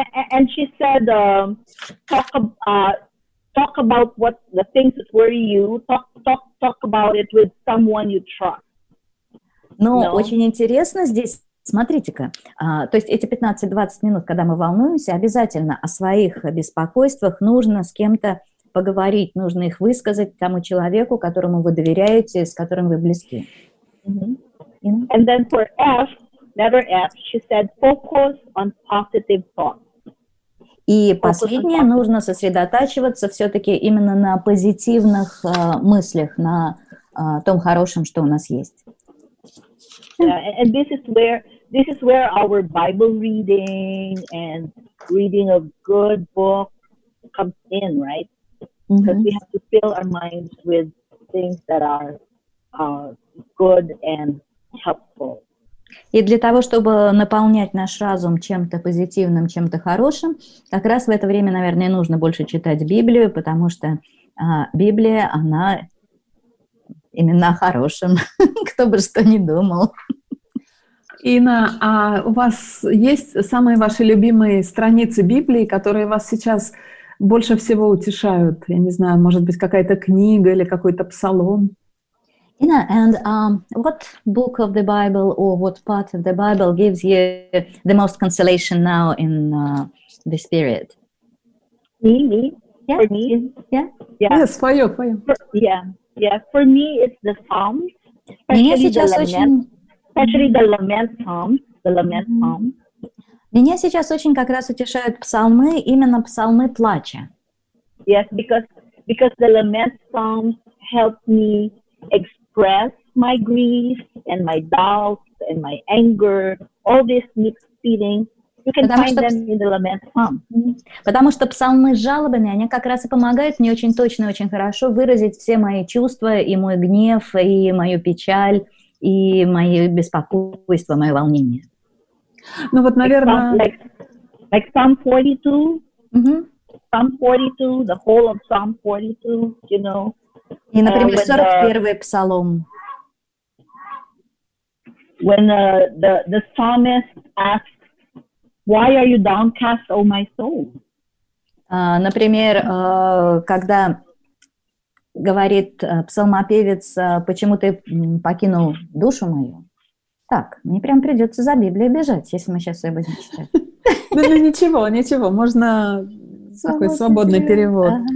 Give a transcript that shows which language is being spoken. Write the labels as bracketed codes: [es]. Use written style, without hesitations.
[en] And she said, talk about what the things that worry you. Talk about it with someone you trust. [ru] Ну, очень интересно здесь. Смотрите-ка, то есть эти 15-20 минут, когда мы волнуемся, обязательно о своих беспокойствах нужно с кем-то поговорить, нужно их высказать тому человеку, которому вы доверяете, с которым вы близки. [en] Mm-hmm. Yeah. And then for F. Letter F, she said, focus on positive thoughts. [ru] И последнее, нужно сосредотачиваться все-таки именно на позитивных мыслях, на том хорошем, что у нас есть. [en] Yeah, and this is where our Bible reading and reading of good book comes in, right? Mm-hmm. Because we have to fill our minds with things that are good and helpful. [ru] И для того, чтобы наполнять наш разум чем-то позитивным, чем-то хорошим, как раз в это время, наверное, нужно больше читать Библию, потому что Библия, она именно о хорошем, кто бы что ни думал. Инна, а у вас есть самые ваши любимые страницы Библии, которые вас сейчас больше всего утешают? Я не знаю, может быть, какая-то книга или какой-то псалом? [en] Inna, and what book of the Bible or what part of the Bible gives you the most consolation now in this period? For me, it's the Psalms. [ru] Меня сейчас очень, [en] especially the lament Psalms, the lament Psalms. [ru] Меня сейчас очень как раз утешают псалмы, именно псалмы плача. [en] Yes, because the lament Psalms help me express my grief and my doubts and my anger, all these mixed feelings. You can find them in the lament Psalms. [ru] Потому что псалмы с жалобами, они как раз и помогают мне очень точно и очень хорошо выразить все мои чувства и мой гнев, и мою печаль, и мое беспокойство, мое волнение. Ну вот, наверное... [en] Like Psalm 42, Psalm 42, the whole of Psalm 42, you know. [ru] И, например, 41-й псалом. [en] When the psalmist asks, why are you downcast, O my soul? [ru] Например, когда говорит псалмопевец, почему ты покинул душу мою? Так, мне прям придется за Библией бежать, если мы сейчас ее будем читать. Ну ничего, ничего, можно такой свободный перевод.